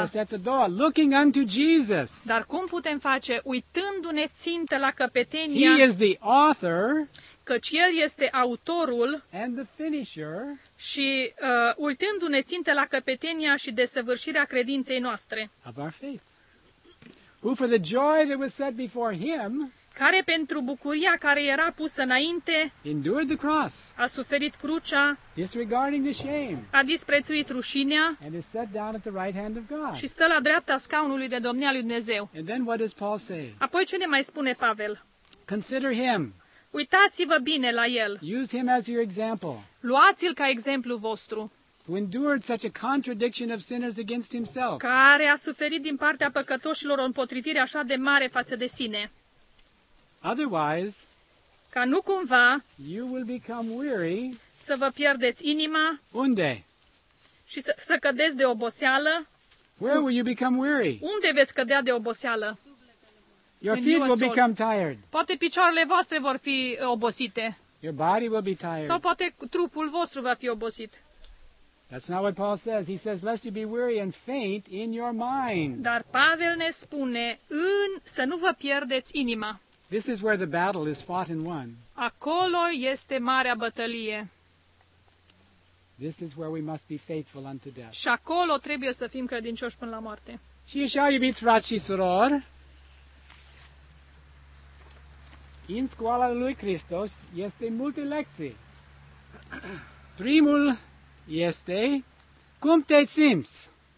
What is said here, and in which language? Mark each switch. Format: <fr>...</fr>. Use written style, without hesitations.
<en>Just at the door, looking unto Jesus.</en> <ro>Dar cum putem face? Uitându-ne țintă la căpetenia.</ro> <en>He is the author.</en> <ro>Căci El este autorul.</ro> <en>And the finisher.</en> <ro>Și uitându-ne țintă la căpetenia și desăvârșirea credinței noastre.</ro> <en>Of our faith. Who for the joy that was set before him.</en> <ro>Care pentru bucuria care era pusă înainte</ro> <en>endured the cross,</en> <ro>a suferit crucea,</ro> <en>disregarding the shame,</en> <ro>a disprețuit rușinea</ro> <en>and is set down at the right hand of God.</en> <ro>Și stă la dreapta scaunului de domnia lui Dumnezeu.</ro> <en>And then what does Paul say?</en> <ro>Apoi ce ne mai spune Pavel?</ro> <en>Consider him.</en> <ro>Uitați-vă bine la el.</ro> <en>Use him as your example.</en> <ro>Luați-l ca exemplu vostru.</ro> <en>Who endured such a contradiction of sinners against himself.</en> <ro>Care a suferit din partea păcătoșilor o împotrivire așa de mare față de sine.</ro> <en>Otherwise,</en> <ro>ca nu cumva,</ro> <en>you will become weary,</en> <ro>să vă pierdeți inima, unde? Și să cădeți de oboseală.</ro> <en>Where will you become weary?</en> <ro>Unde veți cădea de oboseală?</ro> <en>Your feet will become tired.</en> <ro>Poate picioarele voastre vor fi obosite.</ro> <en>Your body will be tired.</en> <ro>Sau poate trupul vostru va fi obosit.</ro> <en>That's not what Paul says. He says, lest you be weary and faint in your mind.</en> <ro>Dar Pavel ne spune, să nu vă pierdeți inima. This is where the battle is fought and won. Acolo este marea bătălie. This is where we must be faithful unto death. Și acolo trebuie să fim credincioși până la moarte. Și așa, iubiți frați și surori, în școala lui Hristos este multe lecții. Primul este, cum te simți?</ro>